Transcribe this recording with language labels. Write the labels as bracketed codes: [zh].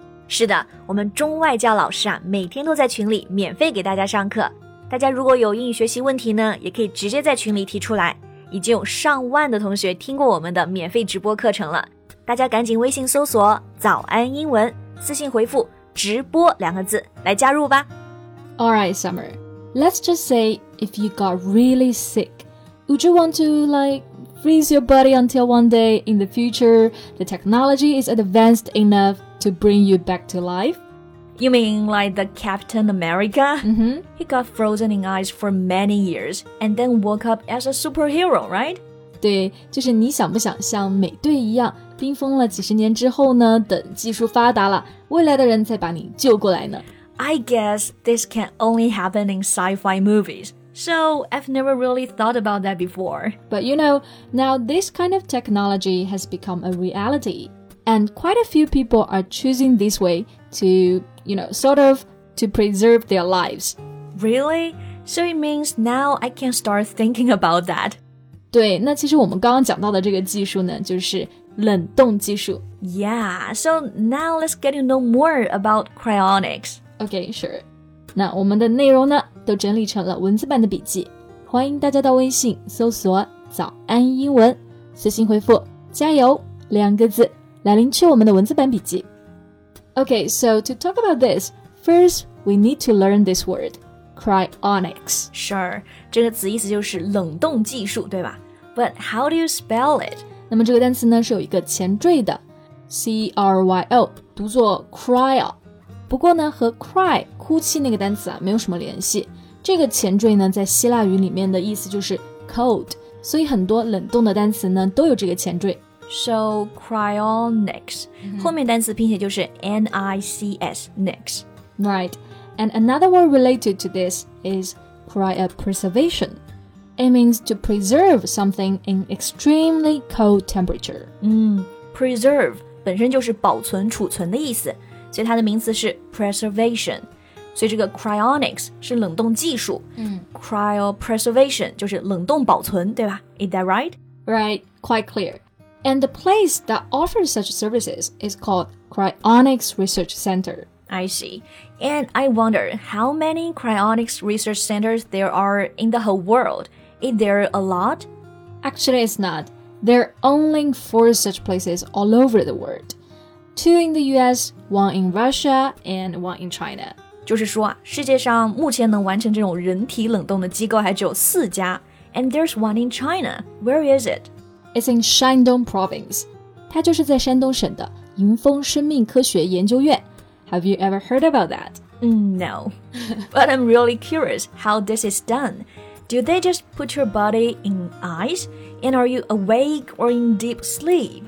[zh] 是的，我们中外教老师啊每天都在群里免费给大家上课，大家如果有英语学习问题呢，也可以直接在群里提出来，已经有上万的同学听过我们的免费直播课程了，大家赶紧微信搜索早安英文，私信回复直播两个字来加入吧。 [en] Alright, Summer. Let's just say if you got really sick, would you want to like freeze your body until one day in the future the technology is advanced enough to bring you back to life? You mean like the Captain America? Mm-hmm. He got frozen in ice for many years and then woke up as a superhero, right? [zh] 对，就是你想不想像美队一样冰封了几十年之后呢，等技术发达了，未来的人再把你救过来呢？ [en] I guess this can only happen in sci-fi movies. So I've never really thought about that before. But you know, now this kind of technology has become a reality. And quite a few people are choosing this way to, you know, sort of to preserve their lives. Really? So it means now I can start thinking about that. [zh] 对，那其实我们刚刚讲到的这个技术呢，就是冷冻技术。 [en] Yeah, so now let's get to know more about cryonics. Okay, sure. [zh] 那我们的内容呢都整理成了文字版的笔记，欢迎大家到微信搜索早安英文，私信回复加油两个字来领取我们的文字版笔记。 [en] Okay, so to talk about this, first we need to learn this word, cryonics. [zh] Sure, 这个词意思就是冷冻技术，对吧？ [en] But how do you spell it? [zh] 那么这个单词呢是有一个前缀的 C-R-Y-O 读作 cryo， 不过呢和 cry 哭泣那个单词啊没有什么联系，这个前缀呢在希腊语里面的意思就是 cold， 所以很多冷冻的单词呢都有这个前缀。 [en] So cryonics、mm-hmm. [zh] 后面单词拼写就是 N-I-C-S nics. [en] Right, and another word related to this is cryopreservationIt means to preserve something in extremely cold temperature. [zh] Preserve 本身就是保存储存的意思，所以它的名词是 preservation. 所以这个 cryonics 是冷冻技术。Cryopreservation 就是冷冻保存，对吧？ [en] Is that right? Right, quite clear. And the place that offers such services is called Cryonics Research Center. I see. And I wonder how many cryonics research centers there are in the whole world. Is there a lot? Actually, it's not. There are only 4 such places all over the world. 2 in the US, 1 in Russia, and 1 in China. [zh] 就是说，世界上目前能完成这种人体冷冻的机构还只有四家。 [en] And there's one in China. Where is it? It's in Shandong Province. [zh] 它就是在山东省的银丰生命科学研究院。 [en] Have you ever heard about that? No. But I'm really curious how this is done. Do they just put your body in ice? And are you awake or in deep sleep?